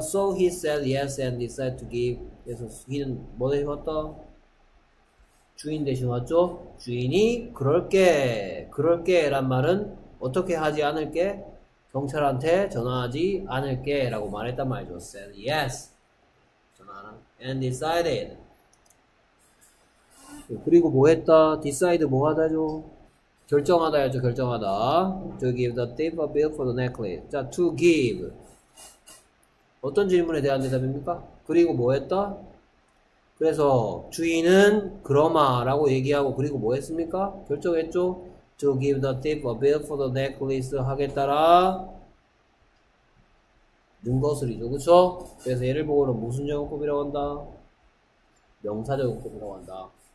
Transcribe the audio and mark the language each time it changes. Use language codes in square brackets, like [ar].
[en] So he said yes and decided to give. [ko] 그래서 he는 뭐 대신 왔다? 주인 대신 왔죠? 주인이 그럴게. 그럴게란 말은 어떻게 하지 않을게? 경찰한테 전화하지 않을게 라고 말했단 말이죠. [en] said yes. [ko] 전화하는. [en] and decided. [ko] 그리고 뭐 했다? decide 뭐 하다죠? 결정하다 했죠, 결정하다. [en] to give the thief a bill for the necklace. 자, to give. [ko] 어떤 질문에 대한 대답입니까? 그리고 뭐 했다? 그래서 주인은 그러마라고 얘기하고 그리고 뭐 했습니까? 결정했죠? [en] to give the thief a bill for the necklace [ko] 하겠다라. 는 것을이죠. 그쵸? 그래서 얘를 보고는 무슨 용법이라고 한다? 명사적 용법이라고 한다.